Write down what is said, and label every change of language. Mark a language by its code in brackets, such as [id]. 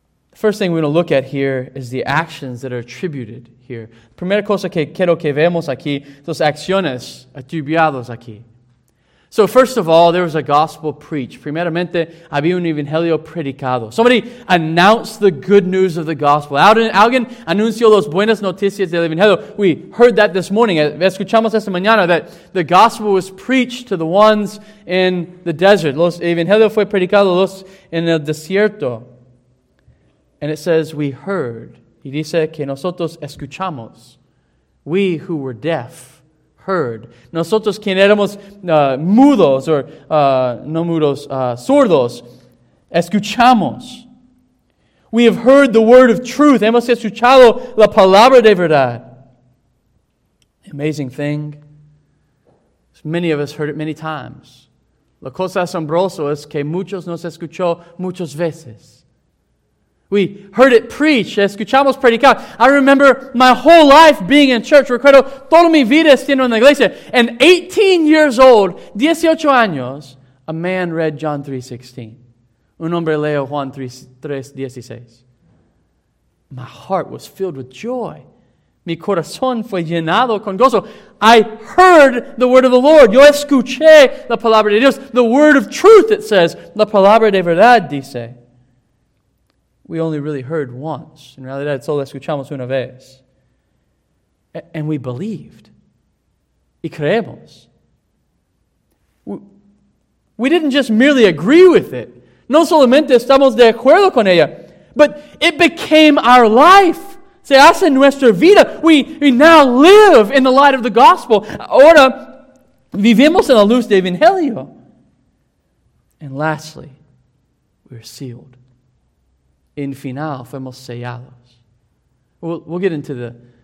[en] The first thing we're going to look at here is the actions that are attributed here. [es] Primera cosa que quiero que veamos aquí, las acciones atribuidas aquí. [en] So first of all, there was a gospel preached. [es] Primeramente, había un evangelio predicado. [en] Somebody announced the good news of the gospel. [es] Alguien anunció las buenas noticias del evangelio. [en] We heard that this morning. [es] Escuchamos esta mañana [en] that the gospel was preached to the ones in the desert. [es] Los evangelio fue predicado los en el desierto. [en] And it says, we heard. [es] Y dice que nosotros escuchamos. [en] We who were deaf heard. [es] Nosotros quien éramos mudos, or no mudos, sordos, escuchamos. [en] We have heard the word of truth. [es] Hemos escuchado la palabra de verdad. [en] Amazing thing. Many of us heard it many times. [es] La cosa asombrosa es que muchos nos escuchó muchas veces. [en] We heard it preached. [es] Escuchamos predicar. [en] I remember my whole life being in church. [es] Recuerdo toda mi vida estando en la iglesia. [en] And 18 years old, [es] 18 años, [en] a man read John 3:16. [es] Un hombre leo Juan 3:16. [en] My heart was filled with joy. [es] Mi corazón fue llenado con gozo. [en] I heard the word of the Lord. [es] Yo escuché la palabra de Dios. [en] The word of truth, it says. [es] La palabra de verdad, dice. [en] We only really heard once. [es] En realidad, solo escuchamos una vez. [en] And we believed. [es] Y creemos. [en] We didn't just merely agree with it. [es] No solamente estamos de acuerdo con ella. [en] But it became our life. [es] Se hace nuestra vida. [en] We now live in the light of the gospel. [es] Ahora vivimos en la luz del evangelio. [en] And lastly, we are sealed. [es] En final, fuimos sellados. [en] We'll get into the